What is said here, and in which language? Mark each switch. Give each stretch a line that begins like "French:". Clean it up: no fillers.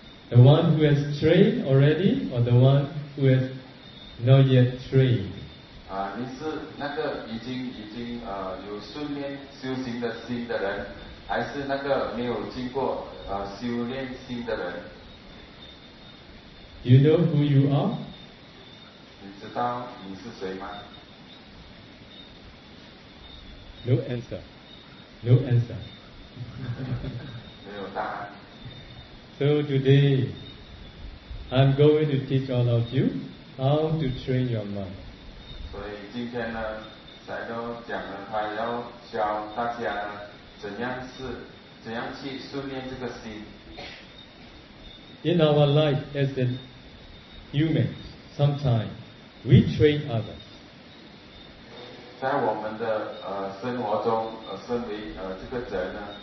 English: The one who has trained already, or the one who has not yet trained?
Chinese: 你是那个已经有训练修行的心的人，还是那个没有经过修炼心的人？
English: Do you know who you are?
Chinese: 你知道你是谁吗？
English: No answer. No answer.
Chinese: 没有答案。
English: So today, I'm going to teach all of you how to train your mind.
Chinese: 所以今天呢，才都讲了，他要教大家怎样去训练这个心。
English: In our life as a human, sometimes we train others.
Chinese: 在我们的生活中，身为这个人呢。